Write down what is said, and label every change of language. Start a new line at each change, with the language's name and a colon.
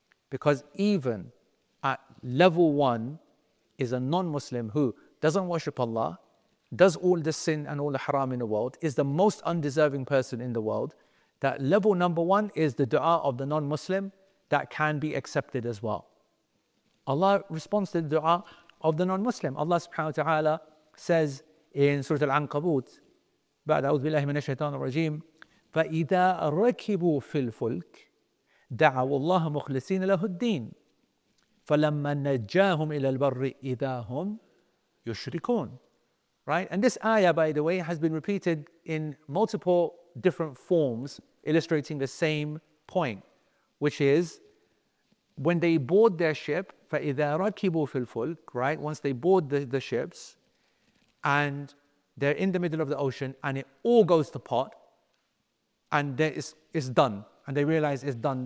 English: Because even at level one is a non-Muslim who doesn't worship Allah, does all the sin and all the haram in the world, is the most undeserving person in the world. That level number one is the dua of the non-Muslim that can be accepted as well. Allah responds to the dua of the non-Muslim. Allah subhanahu wa ta'ala says in Surah Al-Ankabut,
Arabic: بَعْدَ أَوْذُ بِاللَّهِ مِنَ الشَّيْطَانِ الرَّجِيمِ فَإِذَا رَكِبُوا فِي الْفُلْكِ دَعَوُوا اللَّهَ مُخْلِصِينَ لَهُ الدِّينِ فَلَمَّا نَجَّاهُمْ إِلَى الْبَرِّ إِذَا هُمْ يُشْرِكُونَ.
English: Right? And this ayah, by the way, has been repeated in multiple different forms, illustrating the same point, which is when they board their ship,
Arabic: فَإِذَا رَكِبُوا فِي الْفُلْكِ,
English: right? Once they board the ships and they're in the middle of the ocean and it all goes to pot, and there it's done, and they realize it's done.